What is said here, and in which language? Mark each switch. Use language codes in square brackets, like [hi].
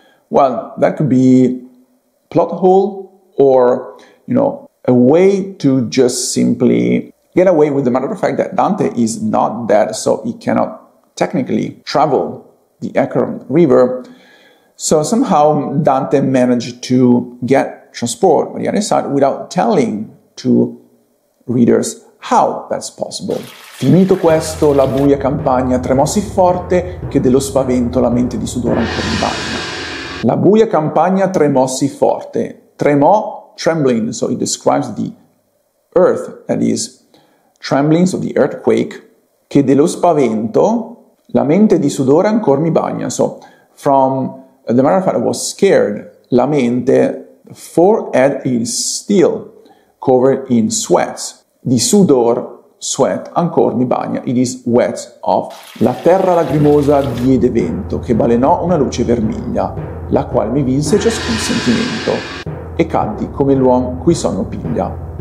[en] Well, that could be a plot hole or, you know, a way to just simply get away with the matter of fact that Dante is not dead, so he cannot technically travel the Acheron River. So somehow Dante managed to get transport on the other side without telling to readers how that's possible. [it] Finito questo, la buia campagna tremò sì forte che dello spavento la mente di sudore ancora in bagno. La buia campagna tremò sì forte. Tremò, [en] trembling, so it describes the earth, that is, trembling, so the earthquake, [it] che dello spavento la mente di sudore ancora mi bagna. [en] So, from the matter of fact, I was scared. [it] La mente, [en] the forehead is still covered in sweats. [it] Di sudor, sweat, ancora mi bagna. [en] It is wet of. [it] La terra lagrimosa diede vento, che balenò una luce vermiglia, la quale mi vinse ciascun sentimento, e caddi come l'uom cui sonno piglia.